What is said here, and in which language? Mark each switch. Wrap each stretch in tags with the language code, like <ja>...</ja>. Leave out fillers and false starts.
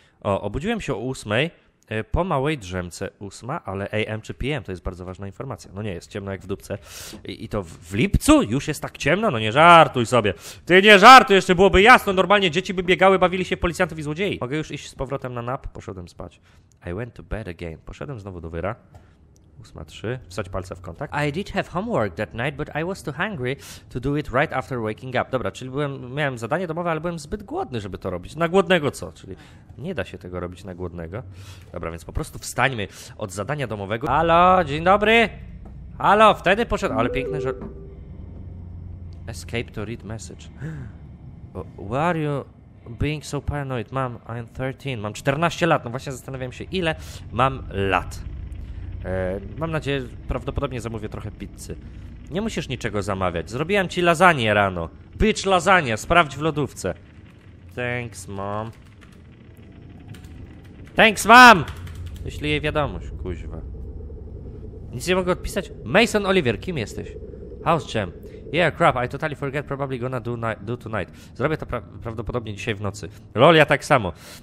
<pl>O, obudziłem się o 8:00, po małej drzemce 8:00, ale AM czy PM, to jest bardzo ważna informacja. No nie, jest ciemno jak w dupce. I to w lipcu już jest tak ciemno? No nie żartuj sobie. Ty nie żartuj, jeszcze byłoby jasno, normalnie dzieci by biegały, bawili się policjantów i złodziei. Mogę już iść z powrotem na nap? Poszedłem spać.</pl> <en>I went to bed again.</en> <pl>Poszedłem znowu do wyra. 8:03, wsadź palce w kontakt.</pl> <en>I did have homework that night, but I was too hungry to do it right after waking up.</en> <pl>Dobra, czyli miałem zadanie domowe, ale byłem zbyt głodny, żeby to robić. Na głodnego co? Czyli nie da się tego robić na głodnego. Dobra, więc po prostu wstańmy od zadania domowego. Halo, dzień dobry! Halo, wtedy poszedł... Ale piękne, że...</pl> <en>Escape to read message. Why are you being so paranoid? Mom, I'm 13.</en> <pl>Mam 14 lat. No właśnie zastanawiam się, ile mam lat. Mam nadzieję, że prawdopodobnie zamówię trochę pizzy. Nie musisz niczego zamawiać. Zrobiłem ci lasagne rano.</pl> <en>Bitch,</en> <pl>lasagne. Sprawdź w lodówce.</pl> <en>Thanks, mom. Thanks, mom!</en> <pl>Wyślij jej wiadomość, kuźwa. Nic nie mogę odpisać? Mason Oliver, kim jesteś? House Jam.</pl> <en>Yeah, crap, I totally forget, probably gonna do tonight.</en> <pl>Zrobię to prawdopodobnie dzisiaj w nocy. Lol, ja tak samo.</pl>